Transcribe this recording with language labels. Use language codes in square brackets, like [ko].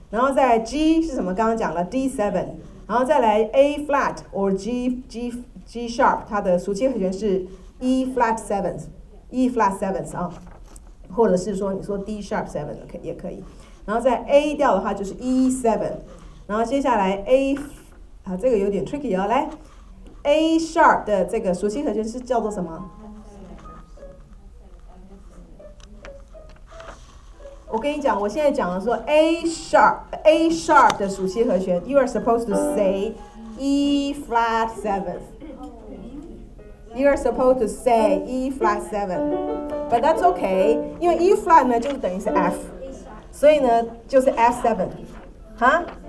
[zh] 然后再 G 是什么？刚刚讲了 D7， 然后再来 A flat or G sharp， 它的属七和弦是 E flat 7 啊，或者是说你说 D sharp 7也可以。然后再 A 调的话就是 E7， 然后接下来 A 啊这个有点 tricky 哦，来。 A sharp 的这个属七和弦是叫做什么？我跟你讲，我现在讲的说 A sharp 的属七和弦 ， [en] You are supposed to say E flat seventh. You are supposed to say E flat seven, but that's okay. [zh] 因为 E flat 呢就等于是 F， 所以呢就是 F seven， 哈？